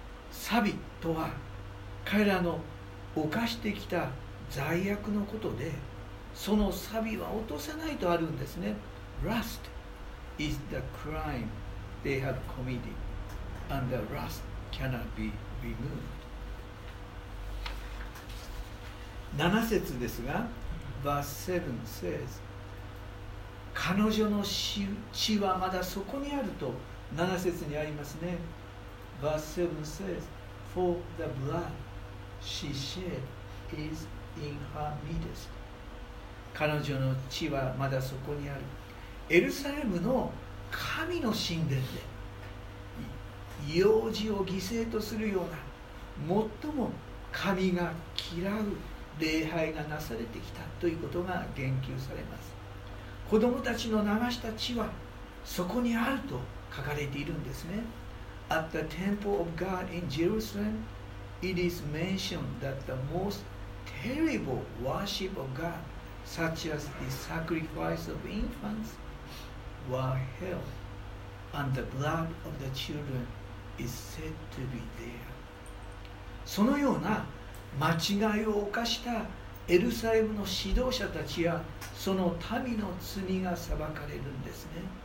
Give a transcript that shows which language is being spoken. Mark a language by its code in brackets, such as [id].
[ja] サビとは彼らの犯してきた罪悪のことで、そのサビは落とせないとあるんですね。 [en] Rust is the crimeThey have committed, and the rust cannot be removed. [ja] 7節ですが、 [en] verse 7 says, [ja] 彼女の血はまだそこにあると7節にありますね。 [en] verse 7 says, For the blood she shed is in her midst. [ja] 彼女の血はまだそこにある。エルサレムの神の神殿で幼児を犠牲とするような最も神が嫌う礼拝がなされてきたということが言及されます。子供たちの流した血はそこにあると書かれているんですね。 [en] At the temple of God in Jerusalem it is mentioned that the most terrible worship of God such as the sacrifice of infantsWere held, and the blood of the children is said to be there. [ja] そのような間違いを犯したエルサレムの指導者たちやその民の罪が裁かれるんですね。